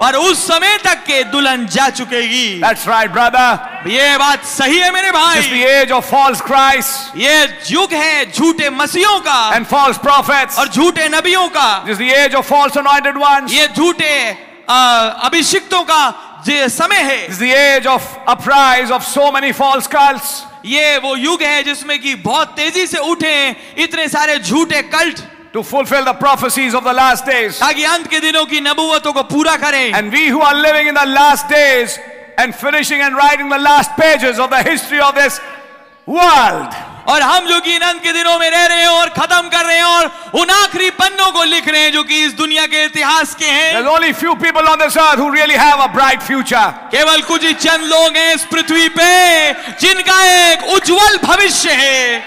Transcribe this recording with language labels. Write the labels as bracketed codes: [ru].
[hi] पर उस समय तक के दुल्हन जा चुकेगी. [en] That's right, brother. [hi] ये बात सही है मेरे भाई. [en] This is the age of false Christ. [hi] ये युग है झूठे मसीहों का. [en] And false prophets. [hi] और झूठे नबियों का. [en] This is the age of false anointed ones. [hi] ये झूठे अभिषिक्तों का ये समय है. [en] This is the age of uprise of so many false cults. [hi] ये वो युग है जिसमें कि बहुत तेजी से उठे हैं इतने सारे झूठे cult. [en] To fulfill the prophecies of the last days. [hi] ताकि अंत के दिनों की नबुवतों को पूरा करें. [en] And we who are living in the last days and finishing and writing the last pages of the history of this world. [hi] और हम जो कि अंत के दिनों में रह रहे हैं और खत्म कर रहे हैं और उन आखिरी पन्नों को लिख रहे हैं जो कि इस दुनिया के इतिहास के हैं. [en] There's only few people on this earth who really have a bright future. [hi] केवल कुछ ही चंद लोग हैं इस पृथ्वी पे जिनका एक उज्जवल भविष्य है.